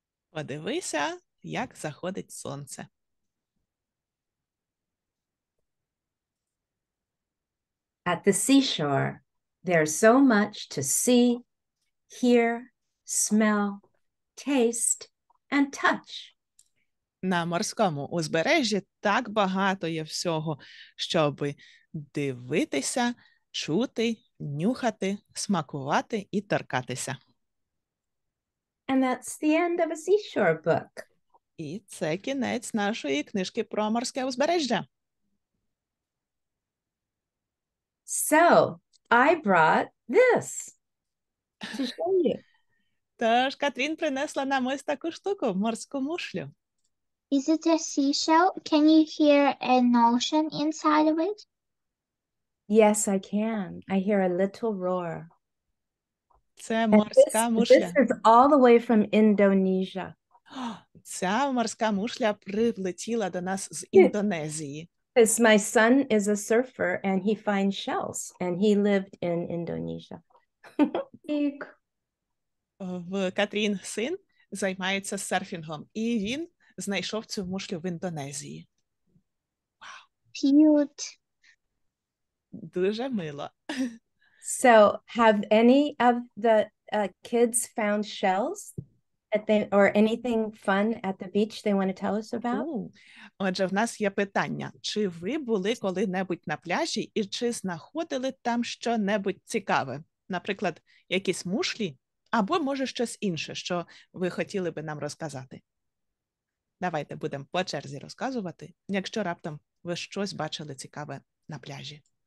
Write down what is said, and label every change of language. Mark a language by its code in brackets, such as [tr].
[uk] Подивися, як заходить сонце. [en] At the seashore, there's so much to see, hear, smell, taste, and touch. [uk] На морському узбережжі так багато є всього, щоб дивитися, чути, нюхати, смакувати і торкатися. [en] And that's the end of a seashore book. [uk] І це кінець нашої книжки про морське узбережжя. [en] So, I brought this to show you. [uk] Тож, Катрін принесла нам ось таку штуку, морську мушлю. [en] Is it a seashell? Can you hear an ocean inside of it? Yes, I can. I hear a little roar. [uk] Це морська мушля. [en] This is all the way from Indonesia. [uk] Ця морська мушля прилетіла до нас з Індонезії. [en] Because my son is a surfer and he finds shells and he lived in Indonesia. [uk] Катрін син займається серфінгом і він знайшов цю мушлю в Індонезії. [en] Wow. Cute. [uk] Дуже мило. [en] So, have any of the kids found shells? Or anything fun at the beach they want to tell us about? [uk] Отже, в нас є питання. Чи ви були коли-небудь на пляжі і чи знаходили там що-небудь цікаве? Наприклад, якісь мушлі або, може, щось інше, що ви хотіли би нам розказати? Давайте будемо по черзі розказувати, якщо раптом ви щось бачили цікаве на пляжі.